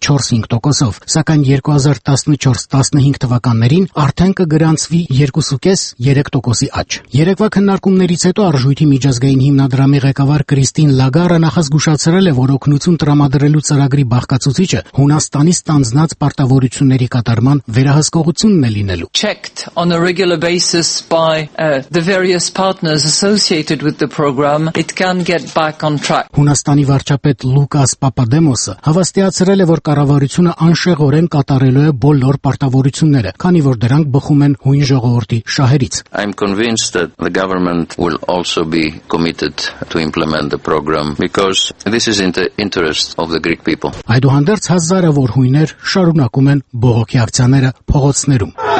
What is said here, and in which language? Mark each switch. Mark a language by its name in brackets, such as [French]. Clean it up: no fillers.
[Armenian] 4-5%-ով, սակայն 2014-15 թվականներին արդեն կգրանցվի 2.5-3%-ի աճ։ Երեկվա քննարկումներից հետո Արժույթի միջազգային հիմնադրամի ղեկավար Կրիստին Լագարը նախազգուշացրել է, որ օգնություն տրամադրելու ծրագրի բաղկացուցիչը Հունաստանի ստանձնած պարտավորությունների կատարման վերահսկողությունն է լինելու։ [English] Checked on a regular basis by the various partners associated with the program, it can get back on track. [Armenian] Հունաստանի վարչապետ Լուկաս Պապադեմոսը հավաստիացրել է, որ կառավարությունը անշեղորեն կատարելու է բոլոր պարտավորությունները, քանի որ դրանք բխում են հույն ժողովրդի շահերից։ [English] I'm convinced that the government will also be committed to implement the program because this is in the interest of the Greek people. [Armenian] Այդուհանդերձ հազարավոր հույներ շարունակում են բողոքի ակցիաները փողոցներում։